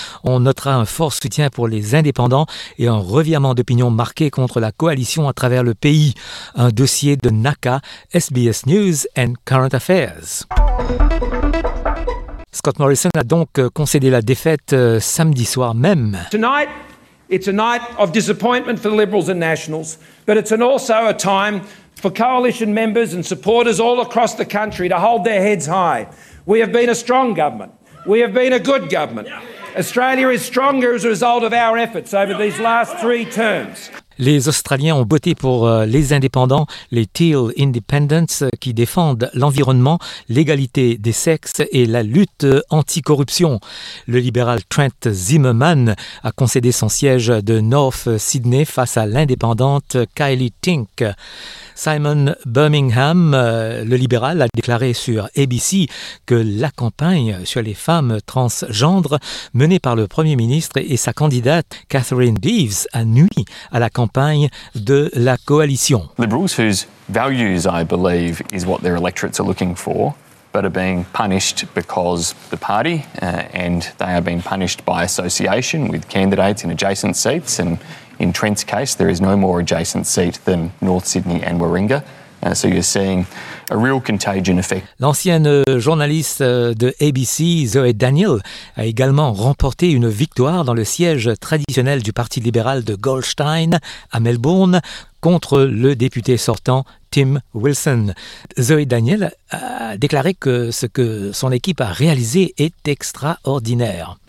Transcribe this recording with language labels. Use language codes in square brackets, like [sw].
[fr] On notera un fort soutien pour les indépendants et un revirement d'opinion marqué contre la coalition à travers le pays. Un dossier de NACA, SBS News and Current Affairs. Scott Morrison a donc concédé la défaite samedi soir même. [en] Tonight. It's a night of disappointment for the Liberals and Nationals, but it's also a time for coalition members and supporters all across the country to hold their heads high. We have been a strong government. We have been a good government. Australia is stronger as a result of our efforts over these last three terms. [fr] Les Australiens ont voté pour les indépendants, les Teal Independents, qui défendent l'environnement, l'égalité des sexes et la lutte anticorruption. Le libéral Trent Zimmerman a concédé son siège de North Sydney face à l'indépendante Kylie Tink. Simon Birmingham, le libéral, a déclaré sur ABC que la campagne sur les femmes transgendres menée par le Premier ministre et sa candidate Catherine Deaves a nui à la campagne de la coalition. [en] Liberals whose values, I believe, is what their electorates are looking for, but are being punished because the party and they are being punished by association with candidates in adjacent seats and in Trent's case, there is no more adjacent seat than North Sydney and Warringah. So you're seeing a real contagion effect. [fr] L'ancienne journaliste de ABC, Zoe Daniel, a également remporté une victoire dans le siège traditionnel du Parti libéral de Goldstein à Melbourne contre le député sortant Tim Wilson. Zoe Daniel a déclaré que ce que son équipe a réalisé est extraordinaire.